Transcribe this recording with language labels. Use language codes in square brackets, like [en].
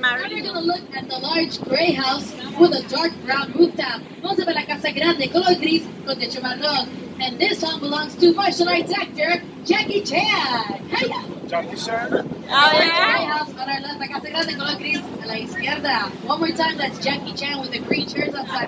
[en] Now we're going to look at the large gray house with a dark brown rooftop. [es] Vamos a ver la casa grande, color gris, con techo marrón. [en] And this one belongs to martial arts actor, Jackie Chan. Hiya! Jackie Chan? Oh, yeah. Gray house on our left, [es] la casa grande, color gris, a la izquierda. [en] One more time, that's Jackie Chan with the green chairs outside.